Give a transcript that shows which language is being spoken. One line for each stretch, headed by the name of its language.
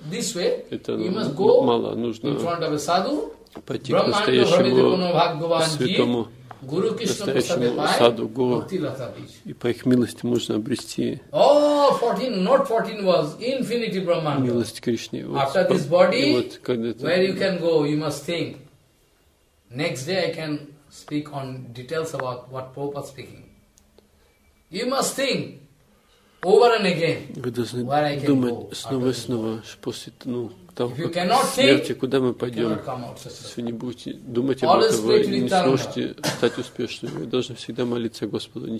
English: This way, you must go
Russian: мало, нужно
English: in front of a sadhu,
Russian: пойти к настоящему святому
English: Guru
Russian: настоящему саду Гуру, и по их милости можно обрести милость Кришне.
English: After this body, where you can go, you must think. Next day I can speak on details about what Pope was speaking. You must think over and again.
Russian: Вы должны думать снова и снова, после того, как смерти, куда мы пойдем, если вы не будете думать об этом, вы не сможете стать успешными. Вы должны всегда молиться Господу, не